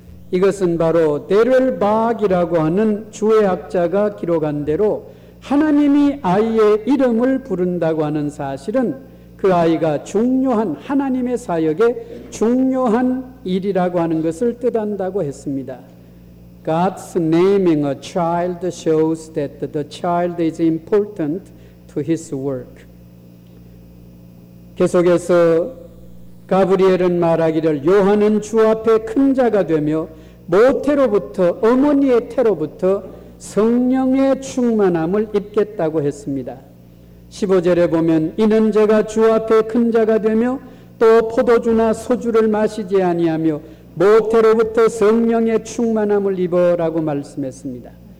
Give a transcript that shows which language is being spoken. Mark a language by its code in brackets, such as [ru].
[ko] 이것은 바로 데를 박이라고 하는 주의학자가 기록한 대로 하나님이 아이의 이름을 부른다고 하는 사실은 그 아이가 중요한 하나님의 사역에 중요한 일이라고 하는 것을 뜻한다고 했습니다. [en] God's naming a child shows that the child is important to his work. [ko] 계속해서 가브리엘은 말하기를 요한은 주 앞에 큰 자가 되며 모태로부터 어머니의 태로부터 성령의 충만함을 입겠다고 했습니다. 15절에 보면 이는 제가 주 앞에 큰 자가 되며 또 포도주나 소주를 마시지 아니하며 모태로부터 성령의 충만함을 입어라고 말씀했습니다.